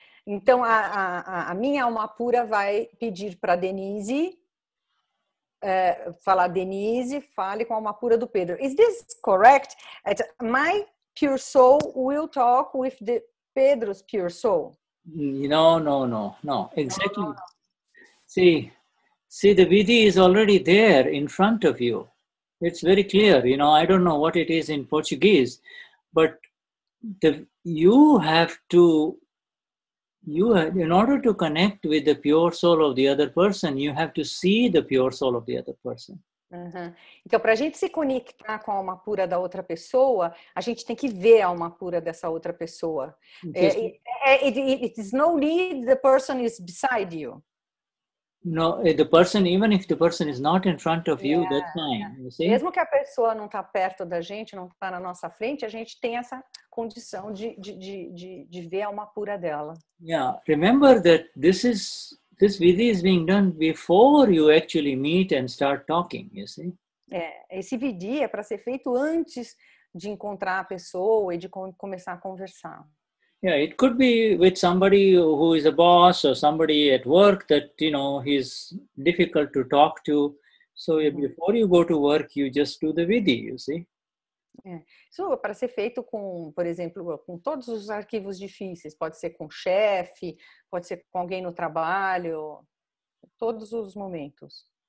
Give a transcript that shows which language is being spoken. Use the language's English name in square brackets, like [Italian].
[Portuguese] Então, a minha alma pura vai pedir para Denise, falar, Denise, fale com a alma pura do Pedro. [English] Is this correct? My pure soul will talk with the Pedro's pure soul. No. Exactly. See, the Vidhi is already there in front of you. It's very clear. You know, I don't know what it is in Portuguese, but in order to connect with the pure soul of the other person, you have to see the pure soul of the other person. Uhum. [Portuguese] Então, para a gente se conectar com a alma pura da outra pessoa, a gente tem que ver a alma pura dessa outra pessoa. [English] It is no need the person is beside you. No, the person, even if the person is not in front of you, that's fine. You see? [Portuguese] Mesmo que a pessoa não está perto da gente, não está na nossa frente, a gente tem essa condição de ver a alma pura dela. [English] Yeah, remember that this vidhi is being done before you actually meet and start talking, you see? [Portuguese] É, esse vidhi é para ser feito antes de encontrar a pessoa e de começar a conversar. [English] Yeah, it could be with somebody who is a boss or somebody at work that, you know, he's difficult to talk to. So before you go to work, you just do the vidhi, you see? [Portuguese] Isso é para ser feito com, por exemplo, com todos os arquivos difíceis. Pode ser com o chefe, pode ser com alguém no trabalho, todos os momentos.